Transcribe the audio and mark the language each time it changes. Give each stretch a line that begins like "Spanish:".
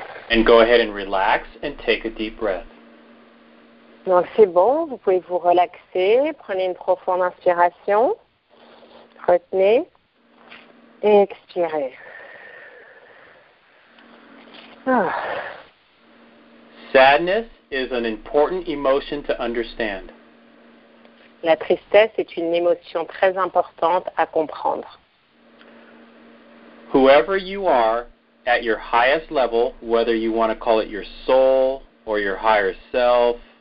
English: And go ahead and relax and take a deep breath.
French: Donc c'est bon, vous pouvez vous relaxer, prenez une profonde inspiration, retenez et expirez.
English: Ah. Sadness is an important emotion to understand.
French: La tristesse est une émotion très importante à comprendre.
English: Whoever you are at your highest level, whether you want to call it your soul or your higher self.